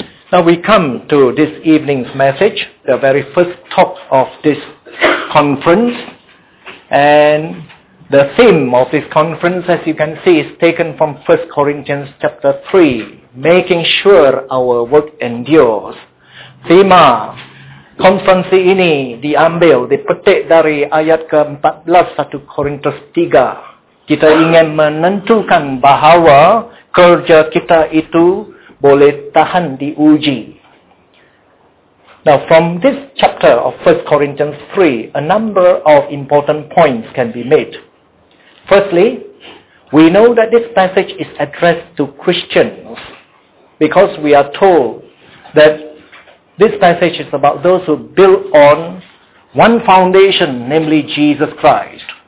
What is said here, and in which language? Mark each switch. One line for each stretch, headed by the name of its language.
English: Now we come to this evening's message, the very first talk of this conference. And the theme of this conference, as you can see, is taken from 1 Corinthians chapter 3. Making sure our work endures.
Malay: Tema konferensi ini diambil, dipetik dari ayat ke-14, 1 Korintus 3. Kita ingin menentukan bahawa kerja kita itu boleh tahan diuji.
English: Now, from this chapter of 1 Corinthians 3, a number of important points can be made. Firstly, we know that this passage is addressed to Christians because we are told that this passage is about those who build on one foundation, namely Jesus Christ.